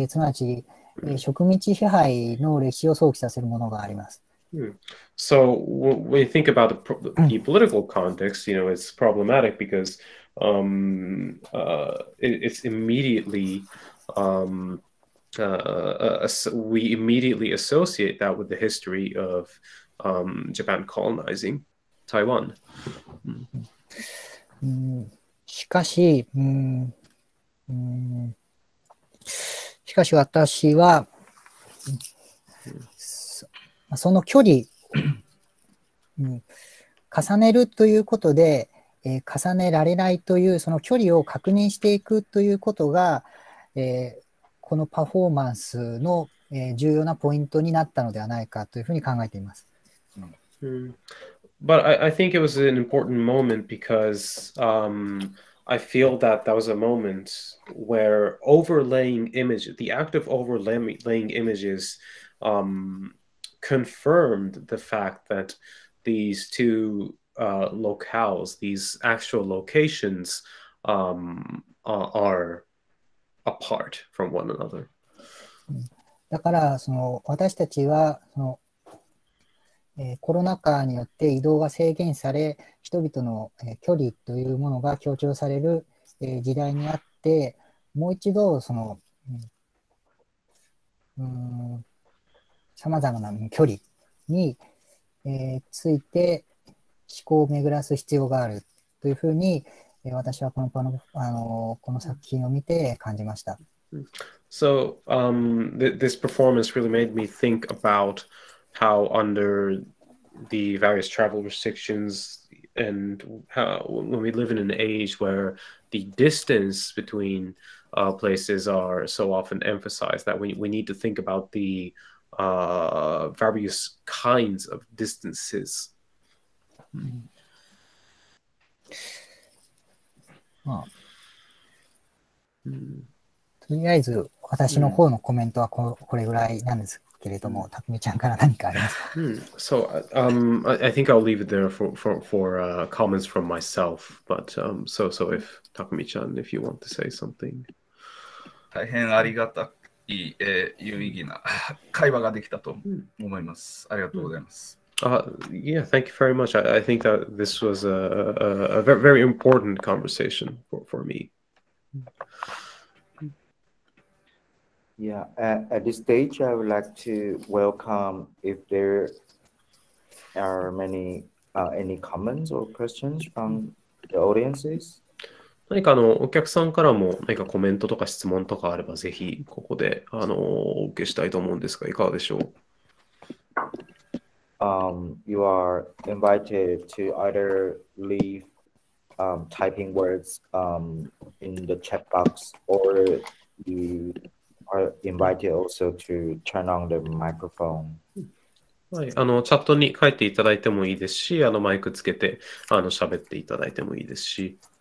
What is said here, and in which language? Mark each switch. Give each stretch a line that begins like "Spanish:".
Japanese: すなわち植民地支配の歴史を想起させるものがあります。
English: So when you think about the political context, you know, it's problematic because it's immediately we immediately associate that with the history of Japan colonizing Taiwan.
Japanese: しかし、しかし私は その距離重ねるということで、重ねられないというその距離を確認していくということが、このパフォーマンスの、重要なポイントになったのではないかというふうに考えています。
English: But I think it was an important moment because I feel that was a moment where overlaying image, the act of overlaying images, confirmed the fact that these two locales, these actual locations, are apart from one another.
Japanese: だからその私たちはそのコロナ禍によって移動が制限され、人々の距離というものが強調される時代にあって、もう一度その、さまざまな距離について思考を巡らす必要があるというふうに、私はこの作品を見て感じました。
English: So, this performance really made me think about how under the various travel restrictions and how, when we live in an age where the distance between places are so often emphasized, that we need to think about the various kinds of distances.
Japanese: とりあえず私の方のコメントはこれぐらいなんですけれども、たくみちゃんから何かありますか？
English: So, I think I'll leave it there for comments from myself. But so if Takumi-chan, if you want to say something.
Japanese: 大変ありがたい、有意義な会話ができたと思います。ありがとうございます。
English: Yeah, thank you very much. I think that this was a very important conversation for me. Yeah, at this stage, I would like to welcome if there are any comments or questions from the audiences.
Japanese: 何かお客さんからも何かコメントとか質問とかあればぜひここでお受けしたいと思うんですが、いかがでしょう？
English: You are invited to either leave typing words in the chat box, or you are invited also to turn on the microphone.
Japanese: はい、チャットに書いていただいてもいいですし、マイクつけて喋っていただいてもいいですし。